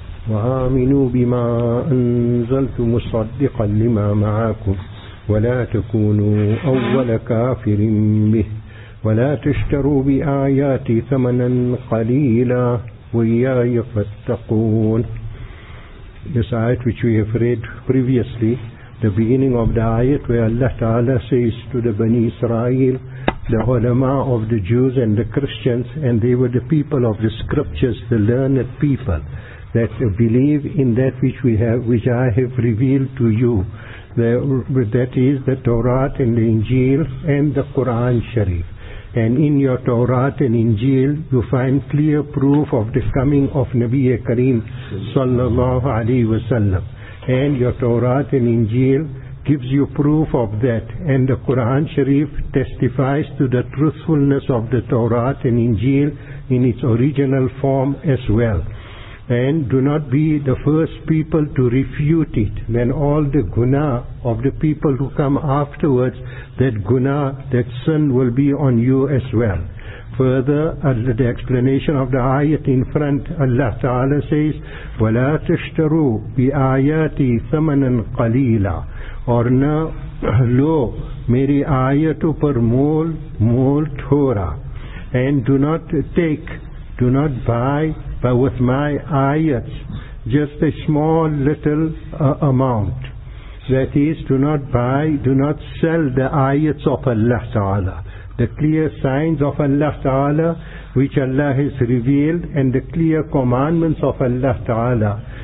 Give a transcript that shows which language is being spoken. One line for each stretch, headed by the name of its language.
Arabic: وآمنوا بما أنزلتم مصدقا لما معكم ولا تكونوا أول كافر به ولا تشتروا بآياتي ثمنا قليلا وإياي فاتقون.
English: This ayat which we have read previously, the beginning of the ayat where Allah Ta'ala says to the Bani Israel, the ulama of the Jews and the Christians, and they were the people of the scriptures, the learned people, that believe in that which I have revealed to you, that is the Torah and the Injil and the Quran Sharif. And in your Torah and Injil, you find clear proof of the coming of Nabi Kareem sallallahu alaihi wasallam. And your Torah and Injil gives you proof of that. And the Quran Sharif testifies to the truthfulness of the Torah and Injil in its original form as well. And do not be the first people to refute it. Then all the guna of the people who come afterwards, that guna, that sin will be on you as well. Further, under the explanation of the ayat in front, Allah Ta'ala says,
Arabic: وَلَا تَشْتَرُوا بِآيَاتِ ثَمَنًا قَلِيلًا
Urdu: اور نہ لو میری آیتوں پر مول مول تھوڑا.
English: And do not take, do not buy, but with my ayats, just a small little amount. That is, do not buy, do not sell the ayats of Allah Ta'ala. The clear signs of Allah Ta'ala, which Allah has revealed, and the clear commandments of Allah Ta'ala.